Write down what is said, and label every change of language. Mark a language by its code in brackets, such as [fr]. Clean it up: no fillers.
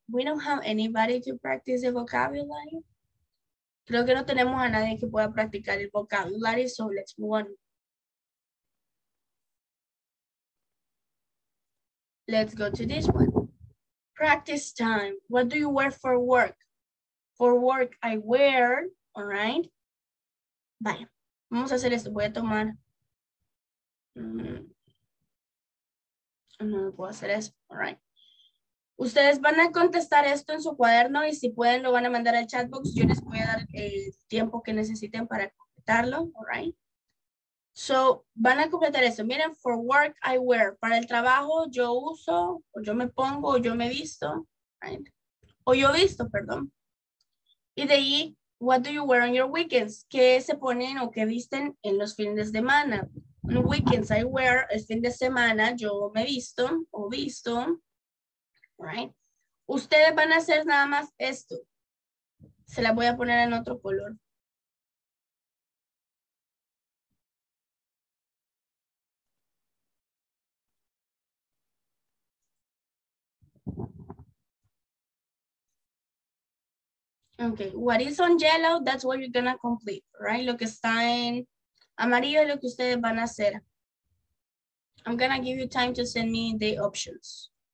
[en] We don't have anybody to practice the vocabulary. [es] Creo que no tenemos a nadie que pueda practicar el vocabulary, [en] so let's move on. Let's go to this one. Practice time. What do you wear for work? For work, I wear, all right? [es] Vaya, vamos a hacer esto. Voy a tomar. No puedo hacer eso, all right. Ustedes van a contestar esto en su cuaderno y si pueden lo van a mandar al chat box. Yo les voy a dar el tiempo que necesiten para completarlo, all right? So, van a completar eso. Miren, [en] for work I wear. [es] Para el trabajo yo uso, o yo me pongo, o yo me visto, right? O yo visto, perdón. Y de ahí, [en] what do you wear on your weekends? [es] ¿Qué se ponen o qué visten en los fines de semana? [en] On weekends I wear, [es] el fin de semana yo me visto o visto. Right. Ustedes van a hacer nada más esto. Se la voy a poner en otro color. [en] Okay, what is on yellow, that's what you're gonna complete, right? [es] Lo que está en amarillo es lo que ustedes van a hacer. [en] I'm gonna give you time to send me the options.